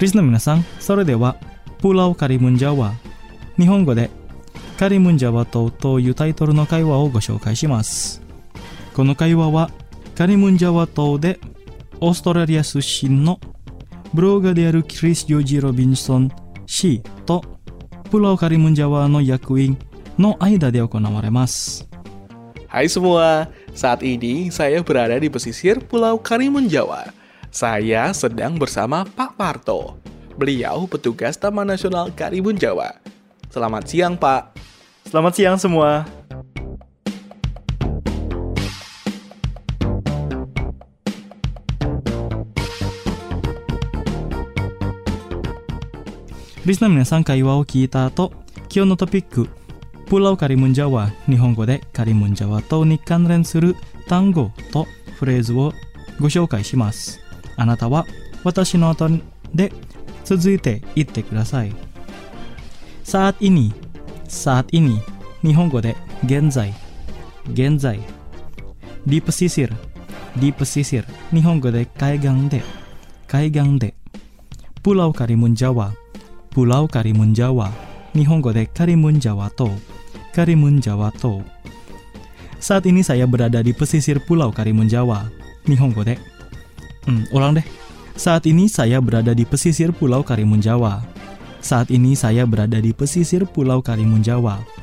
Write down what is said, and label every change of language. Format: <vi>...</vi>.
<ja>リスナー皆さん、それではプラウカリムンジャワ、日本語でカリムンジャワ島というタイトルの会話をご紹介します。この会話はカリムンジャワ島でオーストラリア出身のブロガーであるクリス・ジョージ・ロビンソン氏とプラウカリムンジャワの役員の間で行われます。</ja> <id>Hai semua, saat ini saya berada di pesisir Pulau Karimun Jawa. Saya sedang bersama Pak Parto. Beliau petugas Taman Nasional Karimun Jawa. Selamat siang, Pak. Selamat siang semua.</id> <ja>リスナー皆さん、会話を聞いた後、今日のトピック、プラウカリムンジャワ、日本語でカリムンジャワ島に関連する単語とフレーズをご紹介します。あなたは私の後で続いて言ってください。さあいに、さあいに、日本語で現在、現在。ディープシシル、ディープシシル、日本語で海岸で、海岸で。プラウカリムンジャワ、プラウカリムンジャワ、日本語でカリムンジャワ島、カリムンジャワ島。</ja> <id>Saat ini saya berada di pesisir Pulau Karimun Jawa.</id> <ja>Nihongo de.</ja> <id>Ulang deh. Saat ini saya berada di pesisir Pulau Karimun Jawa. Saat ini saya berada di pesisir Pulau Karimun Jawa.</id>